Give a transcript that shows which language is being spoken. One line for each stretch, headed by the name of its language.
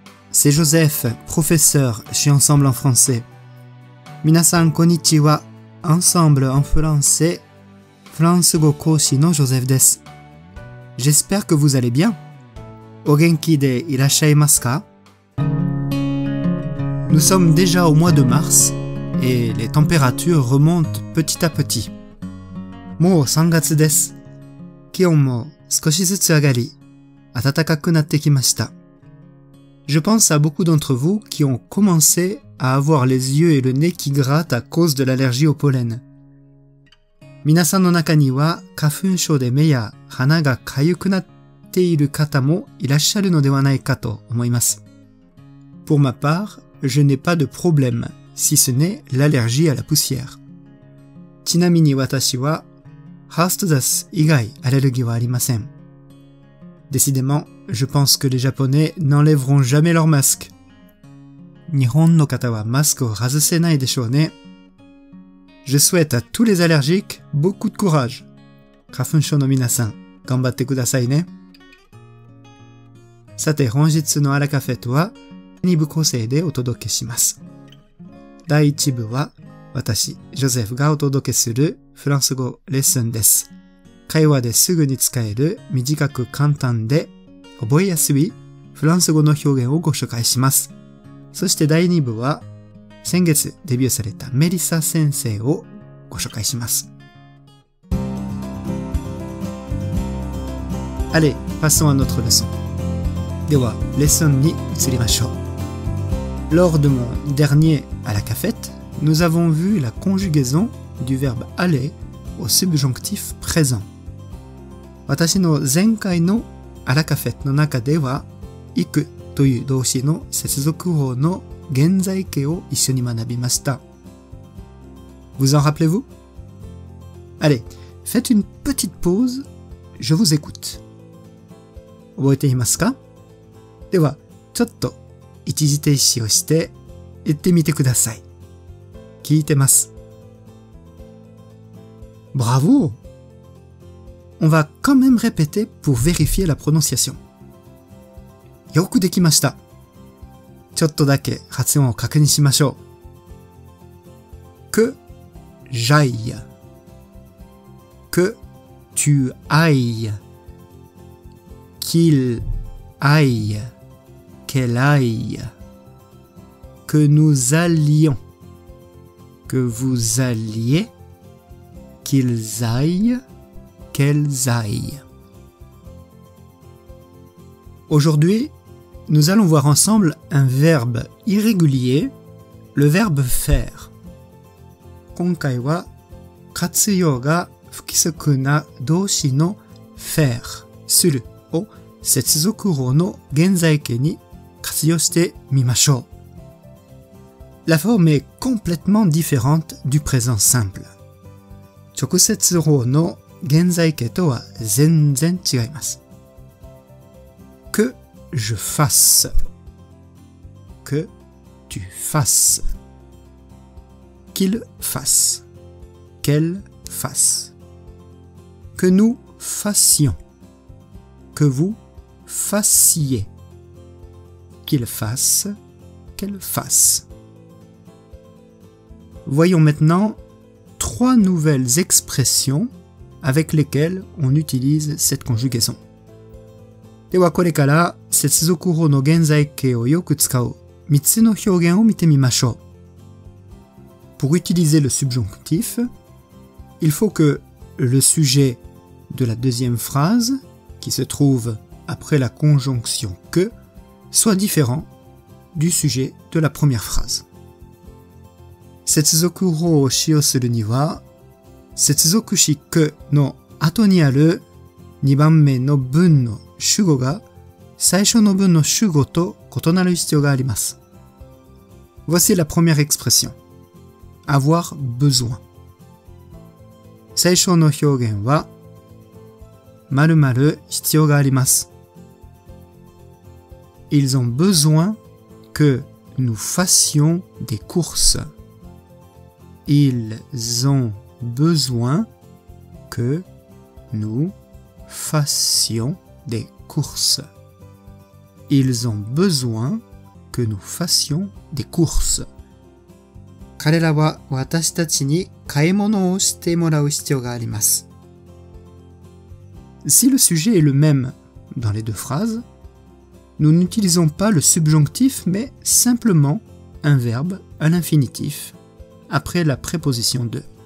French: C'est Joseph, professeur chez Ensemble en français.
Japanese: 皆さんこんにちは。 Ensemble en français, フランス語講師のジョゼフです。
French: J'espère que vous allez bien.
Japanese: お元気でいらっしゃいますか?
French: Nous sommes déjà au mois de mars et les températures remontent petit à petit.
Japanese: もう3月です。気温も少しずつ上がり、暖かくなってきました。
French: Je pense à beaucoup d'entre vous qui ont commencé à avoir les yeux et le nez qui grattent à cause de l'allergie au pollen.
Japanese: 皆さんの中には花粉症で目や鼻がかゆくなっている方もいらっしゃるのではないかと思います。
French: Pour ma part, je n'ai pas de problème, si ce n'est l'allergie à la poussière.
Japanese: ちなみに私は、ハーストダス以外アレルギーはありません。
French: Décidément, je pense que les Japonais n'enlèveront jamais leur masque.
Japanese: 日本の方はマスクを外せないでしょうね。
French: Je souhaite à tous les allergiques beaucoup de courage.
Japanese: 花粉症の皆さん、頑張ってくださいね。さて本日のアラカフェとは2部構成でお届けします。第1部は私ジョゼフがお届けするフランス語レッスンです。会話ですぐに使える短く簡単で覚えやすいフランス語の表現をご紹介します。そして第2部は先月デビューされたメリサ先生をご紹介します。あれ、
French: passons à notre leçon
Japanese: では、レッスンに移りましょう。
French: Lors de mon dernier à la cafette, nous avons vu la conjugaison du verbe aller au subjonctif présent.
Japanese: 私の前回のあらカフェットの中では、行くという動詞の接続法の現在形を一緒に学びました。
French: Vous en rappelez-vous? Allez, faites une petite pause, je vous écoute.
Japanese: 覚えていますか? では、ちょっと一時停止をして言ってみてください。聞いてます。
French: Bravo! On va quand même répéter pour vérifier la prononciation.
Japanese: よくできました。ちょっとだけ発音を確認しましょう。
French: Que j'aille. Que tu ailles. Qu'il aille. Qu'elle aille, que nous allions, que vous alliez, qu'ils aillent, qu'elles aillent. Aujourd'hui, nous allons voir ensemble un verbe irrégulier, le verbe faire.
Japanese: 今回は活用が不規則な動詞の faire, するを接続法の現在形に活用してみましょう。
French: La forme est complètement différente du présent simple.
Japanese: 直接法の現在形とは全然違います。
French: Que je fasse. Que tu fasses. Qu'il fasse. Qu'elle fasse. Que nous fassions. Que vous fassiez. Qu'il fasse, qu'elle fasse. Voyons maintenant trois nouvelles expressions avec lesquelles on utilise cette conjugaison.
Japanese: ではこれから接続法の現在形をよく使う三つの表現を見てみましょう。
French: Pour utiliser le subjonctif, il faut que le sujet de la deuxième phrase, qui se trouve après la conjonction que,soit différent du sujet de la première phrase.
Japanese: 接続法を使用するには、接続詞que の後にある2番目の文の主語が最初の文の主語と異なる必要があります。
French: Voici la première expression. Avoir besoin.
Japanese: 最初の表現は、〇〇必要があります。
French: ils ont besoin que nous fassions des courses. Ils ont besoin que nous fassions des courses. Ils ont besoin que nous fassions des courses.
Japanese: 彼らは私たちに買い物をしてもらう必要があります。
French: Si le sujet est le même dans les deux phrases, nous n'utilisons pas le subjonctif mais simplement un verbe à l'infinitif après la préposition de.